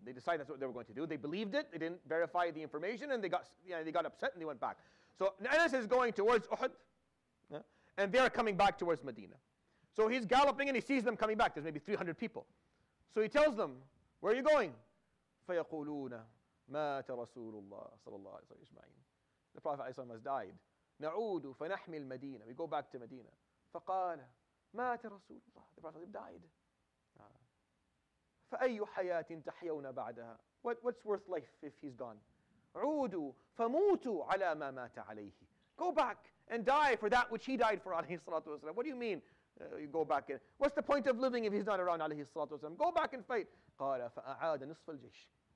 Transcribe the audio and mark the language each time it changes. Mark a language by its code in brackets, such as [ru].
[en] They decided that's what they were going to do. They believed it. They didn't verify the information. And they got upset and they went back. So Anas is going towards Uhud. Yeah, and they are coming back towards Medina. So he's galloping and he sees them coming back. There's maybe 300 people. So he tells them, where are you going? [ar] فَيَقُولُونَ مَاتَ رَسُولُ اللَّهِ صَلَى اللَّهِ عَلَيْهِ وَسَلَّمَ. [en] The Prophet ﷺ has died. [ar] نَعُودُ فَنَحْمِي الْمَدِينَ. [en] We go back to Medina. [ar] فَقَالَ مَاتَ رَسُولُ اللَّهِ. [en] The Prophet ﷺ died. [ar] فَأَيُّ حَيَاةٍ تَحْيَوْنَ بَعْدَهَا. [en] What's worth life if he's gone? [ar] عُودُوا فَمُوتُوا عَلَى مَا مَاتَ عَلَيْهِ. [en] Go back and die for that which he died for, alayhi salatu wasalam. What do you mean, you go back? And what's the point of living if he's not around, alayhi salatu wasalam? Go back and fight. [ar] قَالَ فَأَعَادَ نِصْفَ الْجَيْشِ.